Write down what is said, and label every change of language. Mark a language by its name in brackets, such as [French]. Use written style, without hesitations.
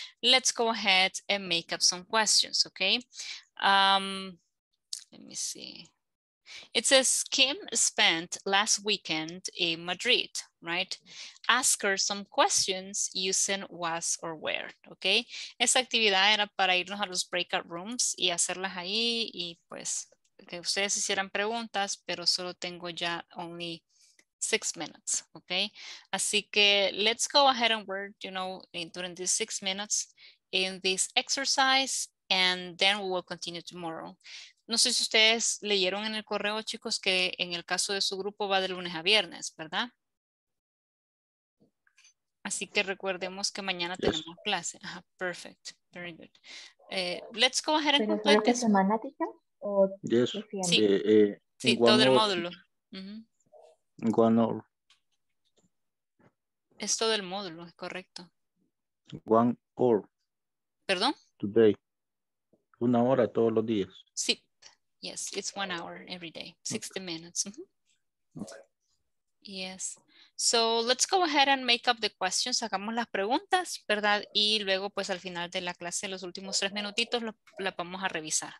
[English] Let's go ahead and make up some questions, okay? Let me see. It says, Kim spent last weekend in Madrid, right? Ask her some questions using was or where, okay? [Spanish] Esa actividad era para irnos a los breakout rooms y hacerlas ahí y pues que ustedes hicieran preguntas, pero solo tengo ya [English] only 6 minutes, okay? [Spanish] Así que [English] let's go ahead and work, you know, during these 6 minutes in this exercise, and then we will continue tomorrow. [Spanish] No sé si ustedes leyeron en el correo, chicos, que en el caso de su grupo va de lunes a viernes, ¿verdad? Así que recordemos que mañana tenemos clase. Ajá, [English] perfect, very good. Let's go ahead and complete this. Semanática. Yes. [Spanish] Sí, sí, todo el módulo. [English] Uh-huh. One hour. [Spanish] Es todo el módulo, es correcto. [English] One hour. [Spanish] ¿Perdón? [English] Today. [Spanish] Una hora todos los días. [English] Sí. Yes, it's 1 hour every day. 60 okay. Minutes. Uh-huh. Okay. Yes. So let's go ahead and make up the questions. [Spanish] Hagamos las preguntas, ¿verdad? Y luego, pues al final de la clase, los últimos 3 minutitos, la vamos a revisar.